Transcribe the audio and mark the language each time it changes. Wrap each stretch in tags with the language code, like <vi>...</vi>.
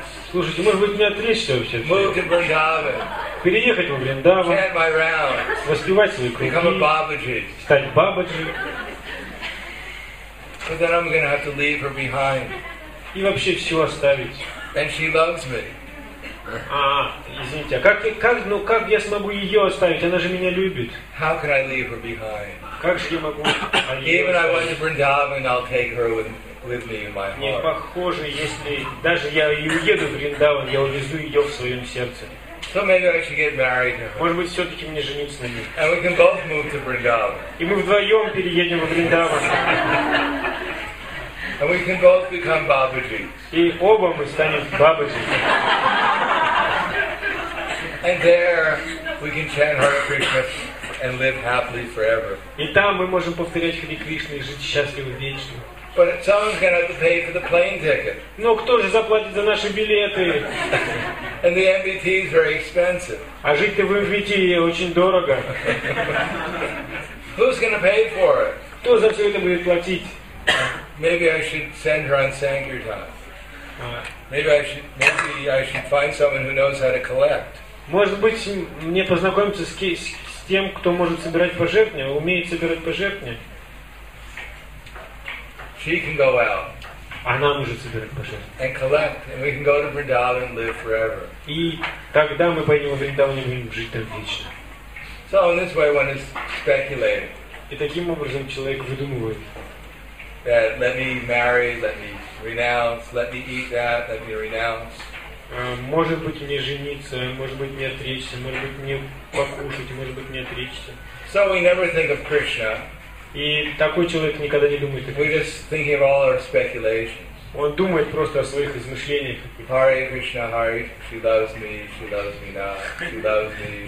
<ru>Слушайте, может быть, мне отречься вообще от всего? Переехать во Вриндаван, воспевать свои круги, стать бабаджи.</ru> <en>But then I'm going to have to leave her behind.</en> <ru>И вообще все оставить.</ru> <en>And she loves me.</en> <ru>А, извините, как я смогу ее оставить? Она же меня любит.</ru> <en>How can I leave her behind?</en> <ru>Как же я могу ее оставить?</ru> <en>Even if I went to Vrindavan, I'll take her with me in my heart.</en> <ru>Не похоже, если даже я и уеду в Вриндаван, я увезу ее в своем сердце.</ru> <en>So maybe I should get married to her.</en> <ru>Может быть, все-таки мне жениться на ней.</ru> <en>And we can both move to Vrindavan.</en> <ru>И мы вдвоем переедем во Вриндаван.</ru> <en>And we can both become Babaji.</en> <ru>И оба мы станем Бабаджи.</ru> <en>And there we can chant Hare Krishna and live happily forever.</en> <ru>И там мы можем повторять Хари Кришну и жить счастливо вечно.</ru> <en>But someone's going to have to pay for the plane ticket.</en> <ru>Но кто же заплатит за наши билеты?</ru> <en>And the MBT is very expensive.</en> <ru>А жить-то в MBT очень дорого.</ru> <en>Who's going to pay for it?</en> <ru>Кто за все это будет платить?</ru> <en>Maybe I should send her on Sankirtan. Maybe I should find someone who knows how to collect.</en> <ru>Может быть, мне познакомиться с тем, кто может собирать пожертвования, умеет собирать пожертвования.</ru> <en>She can go out.</en> <ru>Она может собирать пожертвования.</ru> <en>And collect, and we can go to Vrindavan and live forever.</en> <ru>И тогда мы пойдем в Вриндаван и будем жить там вечно.</ru> <en>So in this way, one is speculating.</en> <ru>И таким образом человек выдумывает.</ru> <en>That let me marry, let me renounce, let me eat that, let me renounce.</en> <ru>Может быть мне жениться, может быть мне отречься, может быть мне покушать, может быть мне отречься.</ru> <en>So we never think of Krishna.</en> <ru>И такой человек никогда не думает о Кришне.</ru> <en>We're just thinking of all our speculations.</en> <ru>Он думает просто о своих измышлениях.</ru> <en>Hare Krishna, Hare, she loves me, she loves me now, she loves me.</en>